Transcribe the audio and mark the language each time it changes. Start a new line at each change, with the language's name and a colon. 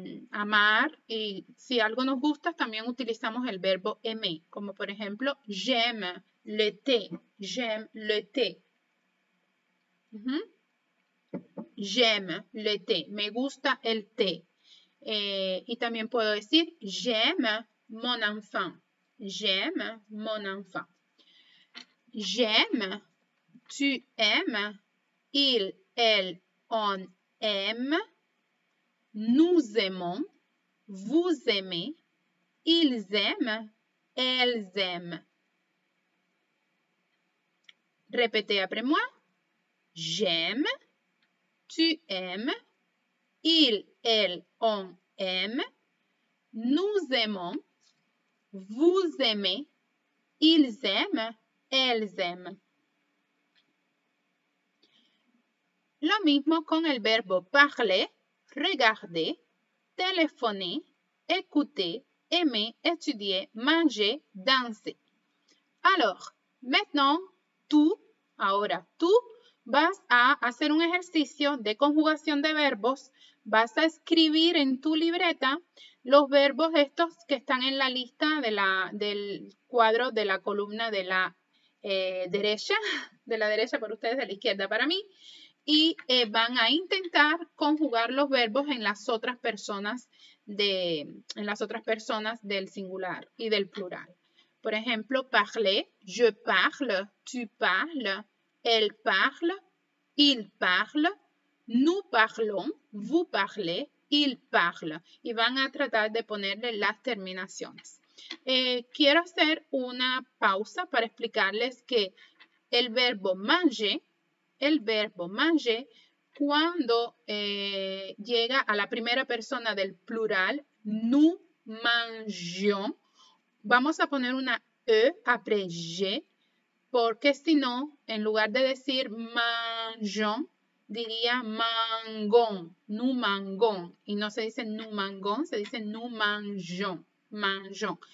Spanish: Amar, y si algo nos gusta, también utilizamos el verbo aimer, como por ejemplo,
French: j'aime le thé, j'aime le thé. J'aime le thé,
Spanish: me gusta el thé. Y también puedo decir,
French: j'aime mon enfant, j'aime mon enfant. J'aime, tu aimes, il, elle, on aime. Nous aimons, vous aimez, ils aiment, elles aiment. Répétez après moi. J'aime, tu aimes, il, elle, on aime. Nous aimons, vous aimez, ils aiment, elles aiment.
Spanish: Lo mismo con el verbo parler.
French: Regarder, téléphoner, écouter, aimer, étudier, manger, danser. Alors, maintenant,
Spanish: tú, ahora tú, vas a hacer un ejercicio de conjugación de verbos. Vas a escribir en tu libreta los verbos estos que están en la lista de del cuadro de la columna de la derecha, de la derecha para ustedes, de la izquierda para mí. Y van a intentar conjugar los verbos en las otras personas del singular y del plural. Por ejemplo,
French: parler, je parle, tu parles, elle parle, il parle, nous parlons, vous parlez, il parle.
Spanish: Y van a tratar de ponerle las terminaciones. Quiero hacer una pausa para explicarles que el verbo manger, el verbo manger, cuando llega a la primera persona del plural,
French: nous mangeons,
Spanish: vamos a poner una E après G, porque si no, en lugar de decir mangeons, diría mangons,
French: nous mangons,
Spanish: y no se dice nous mangons, se dice nous mangeons. Manjón.